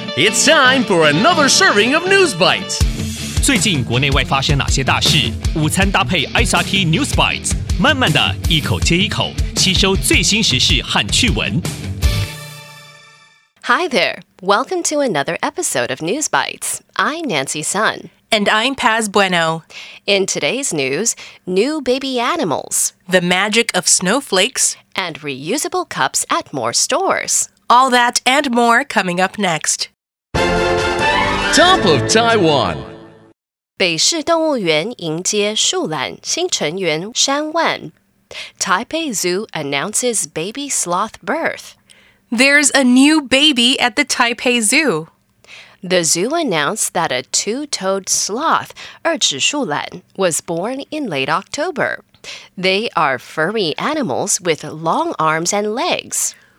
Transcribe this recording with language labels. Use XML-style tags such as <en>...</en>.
<en>It's time for another serving of News Bites.</en> <zh>最近国内外发生哪些大事？午餐搭配 SRT News Bites， 慢慢的一口接一口，吸收最新时事和趣闻。</zh> <en>Hi there, welcome to another episode of News Bites. I'm Nancy Sun. And I'm Paz Bueno. In today's news, new baby animals, the magic of snowflakes, and reusable cups at more stores. All that and more coming up next. Top of Taiwan.</en> <zh>北市动物园迎接树懒新成员山万。</zh> <en>Taipei Zoo announces baby sloth birth. There's a new baby at the Taipei Zoo. The zoo announced that a two-toed sloth, 二趾树懒, was born in late October. They are furry animals with long arms and legs.</en>